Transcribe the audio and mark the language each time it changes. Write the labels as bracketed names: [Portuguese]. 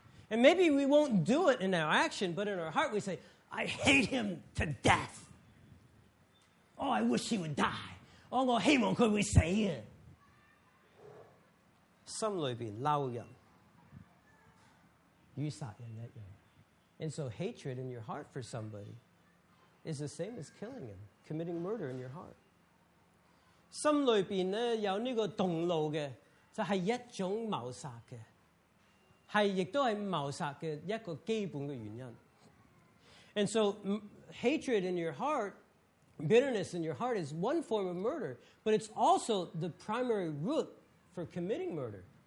[English] And maybe we won't do it in our action, but in our heart we say, I hate him to death. Oh, I wish he would die. Oh, [Chinese] 我希望他会死。心里面骂人,与杀人一样。 [English] And so hatred in your heart for somebody is the same as killing him, committing murder in your heart. [Chinese] 心裏面有這個動怒的,就是一種謀殺的,亦都是謀殺的一個基本的原因。And [English] so, hatred in your heart, bitterness in your heart is one form of murder, but it's also the primary root for committing murder.